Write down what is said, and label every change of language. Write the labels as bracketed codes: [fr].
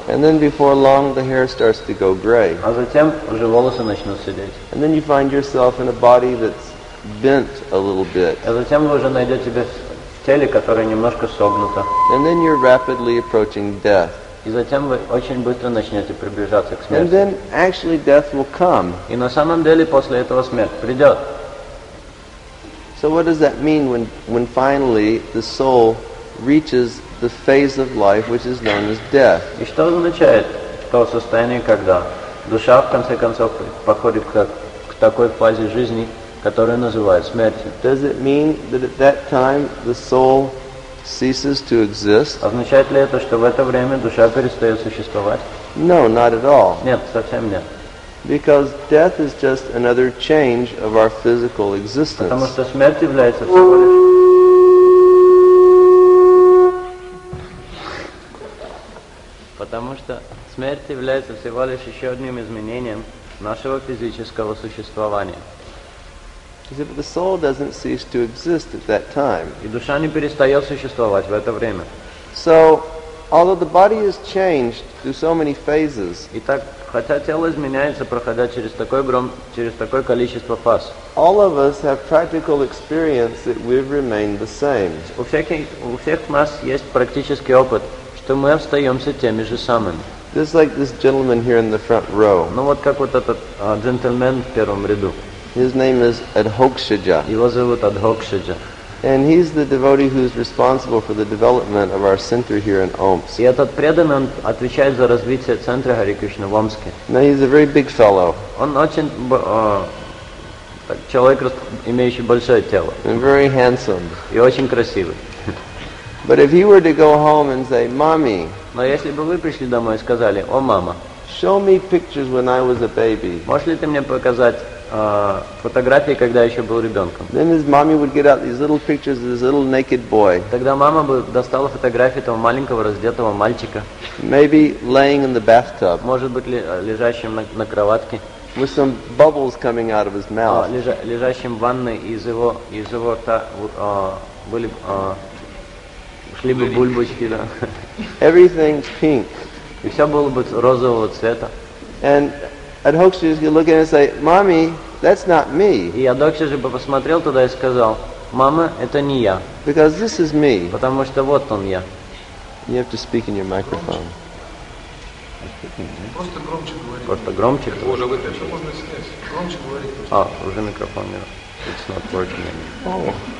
[en] And then before long, the hair starts to go gray. [ru] А затем уже волосы начнут седеть. [en] And then you find yourself in a body that's bent a little bit. [ru] А затем вы уже найдете себя в теле, которое немножко согнуто. [en] And then you're rapidly approaching death. [ru] И затем вы очень быстро начнете приближаться к смерти. [en] And then actually death will come. [ru] И на самом деле после этого смерть придет. [en] So what does that mean when finally the soul reaches the phase of life which is known as death? [ru] И что означает, то состояние, когда душа в конце концов подходит к такой фазе жизни, которая называется смертью. [en] Does it mean that at that time the soul ceases to exist? [ru] Означает ли это, что в это время душа перестает существовать? [en] No, not at all. [ru] Нет, совсем нет. [en] Because death is just another change of our physical existence. [ru] Потому что смерть является всего лишь... Потому что смерть является всего лишь еще одним изменением нашего физического существования. [en] See, but the soul doesn't cease to exist at that time. [ru] И душа не перестает существовать в это время. [en] So, although the body is changed through so many phases, [ru] итак, хотя тело изменяется, проходя через такой гром, через такое количество фаз, [en] all of us have practical experience that we've remained the same. [ru] У всех нас есть практический опыт, что мы остаемся теми же самыми. [en] This is like this gentleman here in the front row. [ru] Ну вот как вот этот джентльмен в первом ряду. [en] His name is Adhokshaja. [ru] Его зовут Адхокшиджа. [en] And he's the devotee who's responsible for the development of our center here in Omsk. [ru] И этот преданный отвечает за развитие центра Хари Кришна в Омске. [en] Now he's a very big fellow. [ru] Он очень человек, имеющий большое тело. [en] And very handsome. [ru] И очень красивый. [en] But if he were to go home and say, "Mommy," [ru] но если бы вы пришли домой и сказали, о, мама, [en] show me pictures when I was a baby. [ru] Можешь ли ты мне показать фотографии, когда я еще был ребенком? [en] Then his mommy would get out these little pictures of this little naked boy. [ru] Тогда мама бы достала фотографии этого маленького раздетого мальчика. [en] Maybe laying in the bathtub. [ru] Может быть, лежащим на кроватке. [en] With some bubbles coming out of his mouth. [ru] Лежащим в ванной из его рта были шли бы бульбочки, да. [en] Everything's pink. [ru] И все было бы розового цвета. [en] And Adhokshaja would look at and say, "Mommy, that's not me." [ru] И Адхокшиджа бы посмотрел туда и сказал, "Мама, это не я." [en] Because this is me. [ru] Потому что вот он я. [en] You have to speak in your microphone. [ru] Просто громче говори. Уже микрофон не. [en] It's not working anymore.